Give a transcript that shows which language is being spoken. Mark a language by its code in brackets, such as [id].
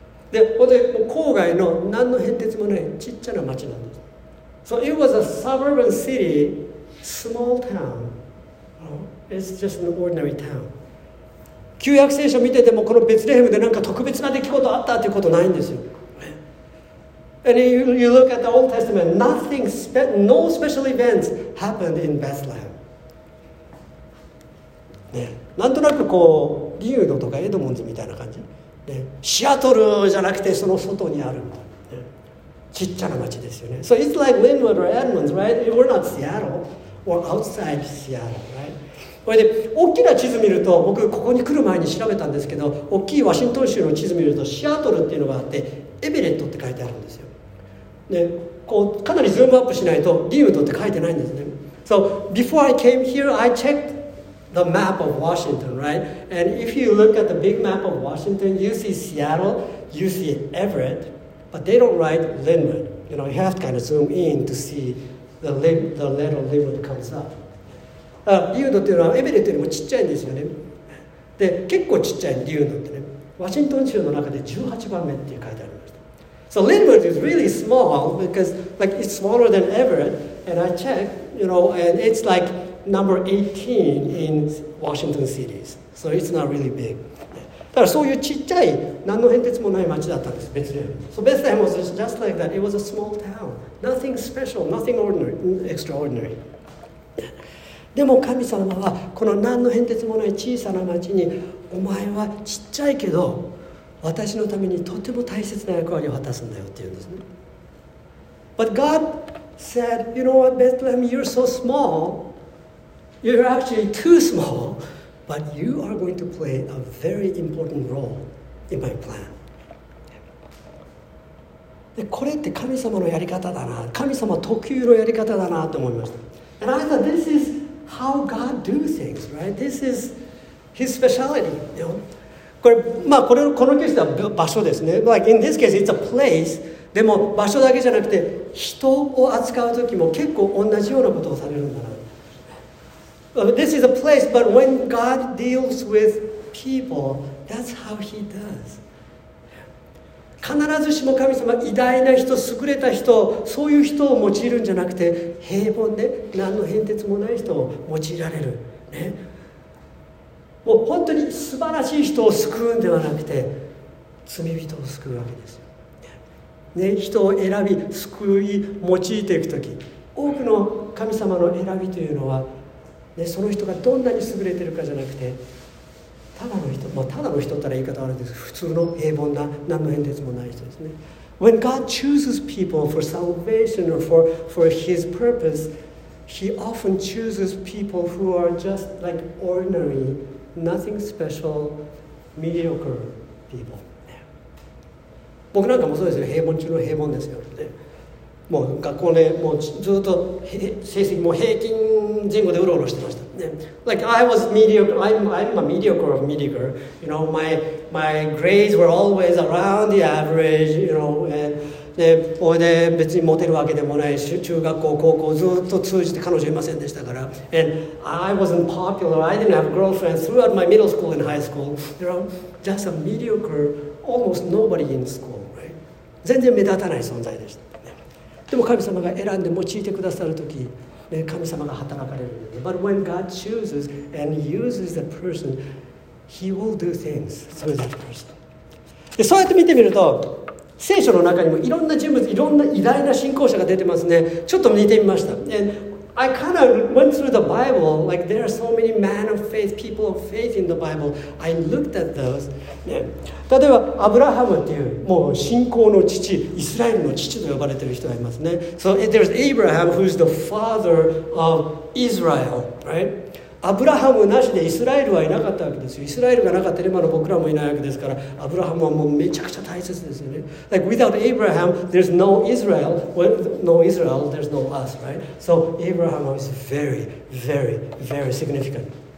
[ja] で、本当に郊外の何の変哲もないちっちゃな町なんです。 [en] So it was a suburban city, small town. It's just an ordinary town. [ja] 旧約聖書見ててもこのベツレヘムで何か特別な出来事あったということないんですよ。 [en] And you look at the Old Testament, nothing, no special events happened in Bethlehem. [ja] ね、なんとなくこうリュードとかエドモンズみたいな感じ、ね、シアトルじゃなくてその外にあるみたいな、ね、ちっちゃな町ですよね。 [en] So it's like Linwood or Edmonds, right? We're not Seattle or outside Seattle, right? [ja] これで大きな地図見ると、僕ここに来る前に調べたんですけど、大きいワシントン州の地図見るとシアトルっていうのがあって、エベレットって書いてあるんですよ。でこうかなりズームアップしないとリュードって書いてないんですね。 [en] So before I came here I checkedThe map of Washington, right? And if you look at the big map of Washington, you see Seattle, you see Everett, but they don't write Linwood. You know, you have to kind of zoom in to see the letter Linwood comes up. [ja] リュードっていうのはエベレットよりもちっちゃいんですよね。で、結構ちっちゃい、リュードってね。ワシントン州の中で18番目って書いてありました。 [en] So Linwood is really small because, like, it's smaller than Everett. And I checked, you know, and it's like,Number 18 in Washington cities. So it's not really big. [ja] ただそういうちっちゃい何の変哲もない町だったんです、ベツレヘム。 [en] So Bethlehem was just like that. It was a small town. Nothing special, nothing ordinary, extraordinary. [ja] でも神様はこの何の変哲もない小さな町に、お前はちっちゃいけど私のためにとても大切な役割を果たすんだよって言うんですね。 [en] But God said, you know what, Bethlehem, you're so smallYou're actually too small, but you are going to play a very important role in my plan. [ja] で、これって神様のやり方だな、神様特有のやり方だなと思いました。 [en] And I thought, this is how God do things, right? This is His speciality, you know? [ja] これ、まあこれ、このケースでは場所ですね。 [en] Like in this case, it's a place. [ja] でも場所だけじゃなくて、人を扱うときも結構同じようなことをされるんだな。 [en] This is a place, but when God deals with people, that's how He does. [ja] 必ずしも神様、偉大な人、優れた人、そういう人を用いるんじゃなくて、平凡で何の変哲もない人を用いられる。ね、もう本当に素晴らしい人を救うんではなくて、罪人を救うわけです。ね、人を選び、救い、用いていくとき、多くの神様の選びというのは、でその人がどんなに優れてるかじゃなくて、ただの人、まあ、ただの人ったら言い方あるんです。普通の平凡な何の変哲もない人ですね。 [en] When God chooses people for salvation or for His purpose, He often chooses people who are just like ordinary, nothing special, mediocre people. [ja] 僕なんかもそうですよ。平凡中の平凡ですよ。ね、もう学校で、ね、もうずっと成績も平均前後でうろうろしてました。ね、 [en] like I was mediocre, I'm a mediocre of mediocre. You know, my grades were always around the average. You know, [ja] でこれで別にモテるわけでもない。中学校高校ずっと通じて彼女いませんでしたから。 [en] And I wasn't popular. I didn't have girlfriends throughout my middle school and high school. You know, just a mediocre, almost nobody in school, right? [ja] 全然目立たない存在でした。でも神様が選んで用いてくださるとき、ね、神様が働かれるんです。 [en] But when God chooses and uses that person, He will do things through that person. [ja] でそうやって見てみると、聖書の中にもいろんな人物、いろんな偉大な信仰者が出てますね。ちょっと見てみました。 [en] And I kind of went through the Bible, like there are so many men of faith, people of faith in the Bible. I looked at those.、ね、 [ja] 例えばアブラハムっていう、もう信仰の父、イスラエルの父と呼ばれている人がいますね。 [en] So there's Abraham who's the father of Israel, right? [ja] アブラハムなしでイスラエルはいなかったわけですよ。イスラエルがなかったら今の僕らもいないわけですから、アブラハムはもうめちゃくちゃ大切ですよね。 [en] Like without Abraham, there's no Israel. When no Israel, there's no us, right? So Abraham is very, very, very significant.